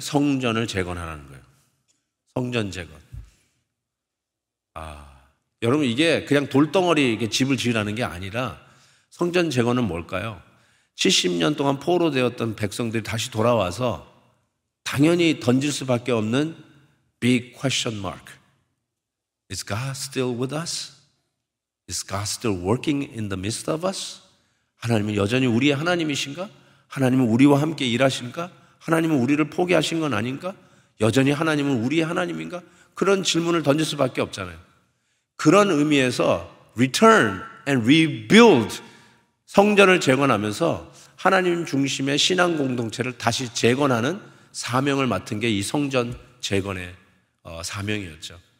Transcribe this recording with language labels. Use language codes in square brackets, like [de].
[ko] 성전을 재건하라는 거예요. 성전 재건. 아, 여러분 이게 그냥 돌덩어리 이렇게 집을 지으라는 게 아니라 성전 재건은 뭘까요? 70년 동안 포로 되었던 백성들이 다시 돌아와서 당연히 던질 수밖에 없는 [en] big question mark. Is God still with us? Is God still working in the midst of us? [ko] 하나님은 여전히 우리의 하나님이신가? 하나님은 우리와 함께 일하신가? 하나님은 우리를 포기하신 건 아닌가? 여전히 하나님은 우리의 하나님인가? 그런 질문을 던질 수밖에 없잖아요. 그런 의미에서 [en] return and rebuild [ko] 성전을 재건하면서 하나님 중심의 신앙 공동체를 다시 재건하는 사명을 맡은 게 이 성전 재건의 사명이었죠.